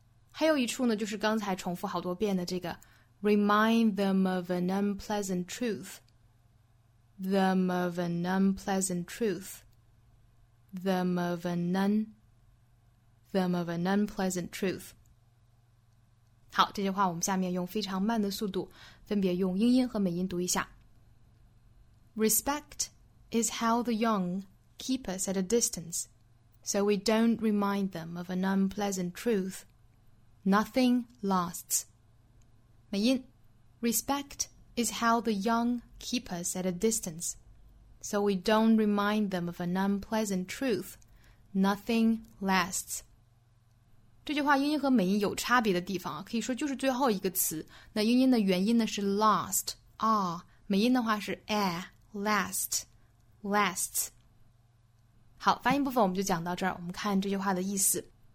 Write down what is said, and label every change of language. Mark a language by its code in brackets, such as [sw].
[zh] 还有一处呢，就是刚才重复好多遍的这个 [en] Remind them of an unpleasant truth Them of an unpleasant truth Them of an un Them of an unpleasant truth。 [zh] 好，这句话我们下面用非常慢的速度分别用英音和美音读一下。 [en] Respect is how the young keep us at a distance So we don't remind them of an unpleasant truthNothing lasts. 美音 Respect is how the young keep us at a distance. So we don't remind them of an unpleasant truth. nothing lasts. [zh] 这句话英音和美音有差别的地方，可以说就是最后一个词。那英音的元音呢是 last, 啊，美音的话是 last, lasts。好，发音部分我们就讲到这儿，我们看这句话的意思。